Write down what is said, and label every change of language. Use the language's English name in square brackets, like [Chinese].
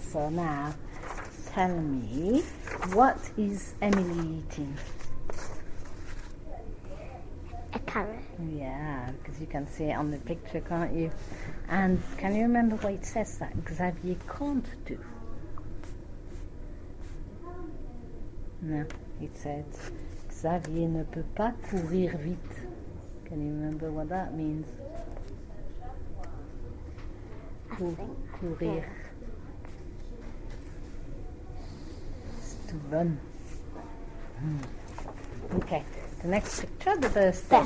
[English] So now, tell me, what is Emily eating? A carrot. Yeah, because you can see it on the picture, can't you? And can you remember what it says that Xavier can't do? No, it said, [French] Xavier ne peut pas courir vite. [English] Can you remember what that means? [French] Courir. [English] To run. Okay, the next picture, the first one.